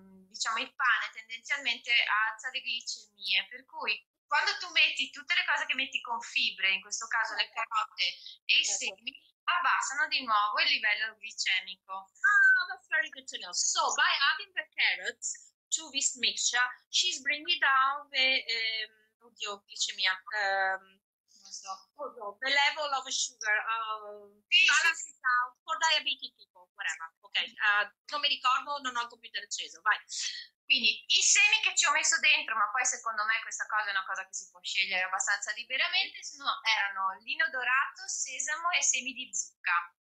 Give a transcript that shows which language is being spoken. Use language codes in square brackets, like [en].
[it] Diciamo, il pane tendenzialmente alza le glicemie, per cui quando tu metti tutte le cose che metti con fibre, in questo caso le carote e i semi, abbassano di nuovo il livello glicemico. [en] Oh, that's very good to know. So, by adding the carrots to this mixture, she's bringing down the, glicemia, the level of sugar, balance it out for diabetic people, whatever. [it] Ok, non mi ricordo, non ho il computer acceso, vai. Quindi, i semi che ci ho messo dentro, ma poi secondo me questa cosa è una cosa che si può scegliere abbastanza liberamente, erano lino dorato, sesamo e semi di zucca.